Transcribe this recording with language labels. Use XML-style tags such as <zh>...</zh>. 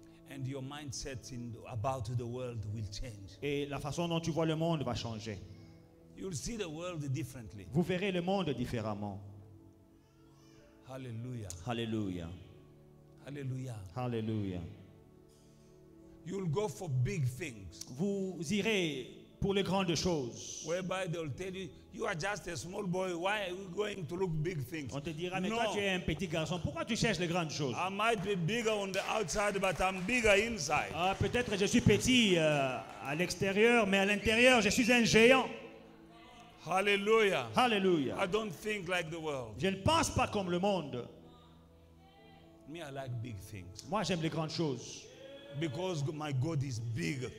<en>And your mindset in about the world will change.</en> <fr>Et la façon dont tu vois le monde va changer.</fr> <en>You'll see the world differently.</en> <fr>Vous verrez le monde différemment. Hallelujah. Hallelujah. Hallelujah. Hallelujah.</fr> <en>You'll go for big things.</en> <fr>Vous irez pour les grandes choses.</fr> <en>Whereby they'll tell you, you are just a small boy. Why are you going to look big things?</en> <fr>On te dira, mais no. Toi, tu es un petit garçon. Pourquoi tu cherches les grandes choses?</fr> <en>I might be bigger on the outside, but I'm bigger inside.</en> <fr>Peut-être je suis petit à l'extérieur, mais à l'intérieur, je suis un géant. Hallelujah. Hallelujah.</fr> <en>I don't think like the world.</en> <fr>Je ne pense pas comme le monde.</fr> <en>Me, I like big things.</en> <fr>Moi, j'aime les grandes choses.</fr> <en>Because my God is big.</en>